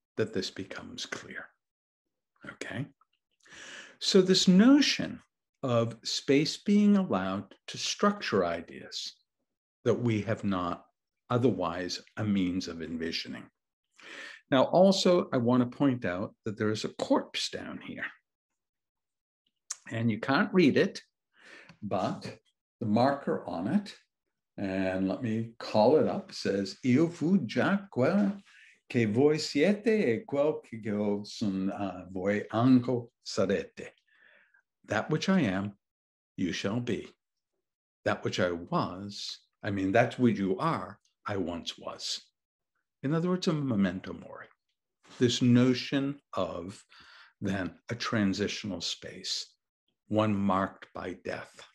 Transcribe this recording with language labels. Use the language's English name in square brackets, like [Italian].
[English] that this becomes clear. Okay. So this notion of space being allowed to structure ideas that we have not otherwise a means of envisioning. Now, also, I want to point out that there is a corpse down here. And you can't read it, but the marker on it, and let me call it up, says, [Italian] Io fu già quel che voi siete e quel che io son voi anche sarete. [English] That which I am, you shall be. That which I was, I mean, that's what you are, I once was. In other words, a memento mori. This notion of then a transitional space, one marked by death.